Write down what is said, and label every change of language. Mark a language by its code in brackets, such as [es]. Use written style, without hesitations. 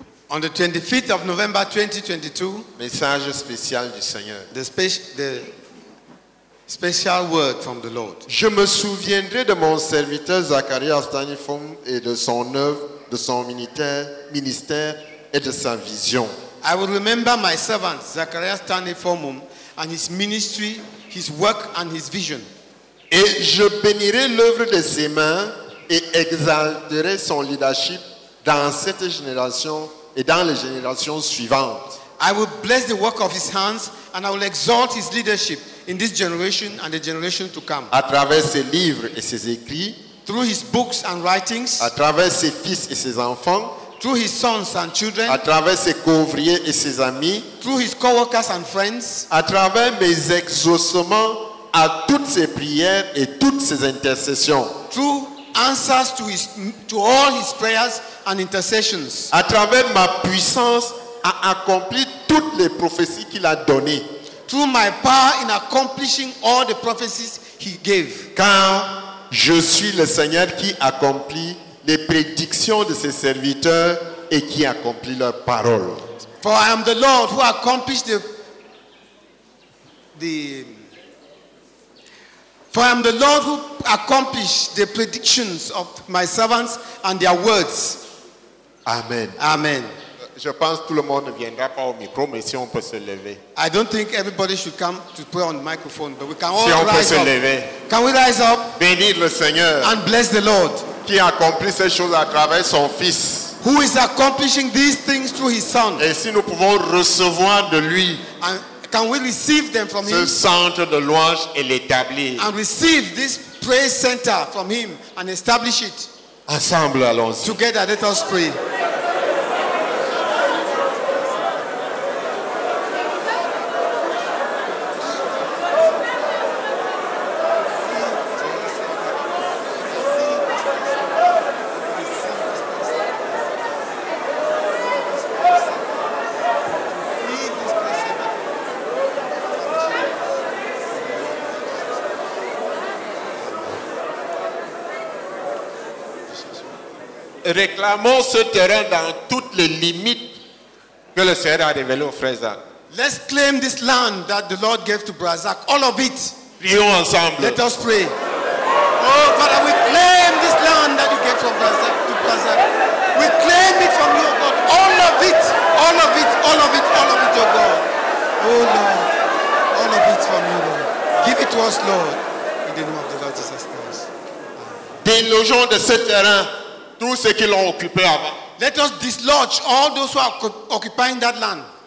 [en] on the 25th of November 2022, [fr] message spécial du Seigneur, [en] the special word from the Lord. [fr] Je me souviendrai de mon serviteur Zacharie Astanifon et de son œuvre, de son ministère et de sa vision. [en] I will remember my servant Zacharie Astanifon and his ministry, his work and his vision. [fr] Et je bénirai l'œuvre de ses mains et exalterai son leadership dans cette génération et dans les générations suivantes. [en] I will bless the work of his hands and I will exalt his leadership in this generation and the generation to come. [fr] À travers ses livres et ses écrits, [en] through his books and writings, [fr] à travers ses fils et ses enfants, [en] through his sons and children, [fr] à travers ses co-ouvriers et ses amis, [en] through his co-workers and friends, [fr] à travers mes exaucements à toutes ses prières et toutes ses intercessions, [en] through answers to all his prayers and intercessions, [fr] à travers ma puissance à accomplir toutes les prophéties qu'il a données, [en] through my power in accomplishing all the prophecies he gave, [fr] car je suis le Seigneur qui accomplit les prédictions de ses serviteurs et qui accomplit leurs paroles. [en] For I am the Lord who accomplished For I am the Lord who accomplished the predictions of my servants and their words. Amen. Amen. [fr] Je pense tout le monde ne viendra pas au micro, mais si on peut se lever. [en] I don't think everybody should come to pray on the microphone, but we can [fr] si [en] all [fr] on [en] rise [fr] peut se [en] up. [fr] Lever. [en] Can we rise up? [fr] Bénir le Seigneur. [en] And bless the Lord. [fr] Qui a accompli ces choses à travers son Fils. [en] Who is accomplishing these things through his Son. [fr] Et si nous pouvons recevoir de lui. [en] And can we receive them from [fr] ce [en] him? [fr] Centre de louange et l'établir. [en] And receive this praise center from him and establish it. [fr] Ensemble, allons-y. [en] Together, let us pray. [fr] réclamons ce terrain dans toutes les limites que le Seigneur a révélées au frère Zach. [en] Let's claim this land that the Lord gave to Brother Zach, all of it. [fr] Prions ensemble. [en] Let us pray. Oh, Father, we claim this land that you gave from Brazil to Brazil. We claim it from you, God. All of it, all of it, all of it, all of it, oh God. Oh, Lord. All of it from you, Lord. Give it to us, Lord. In the name of the Lord Jesus Christ. [fr] Délogeons de ce terrain tous ceux qui l'ont occupé avant. [en] Let us dislodge all those who are occupying that land.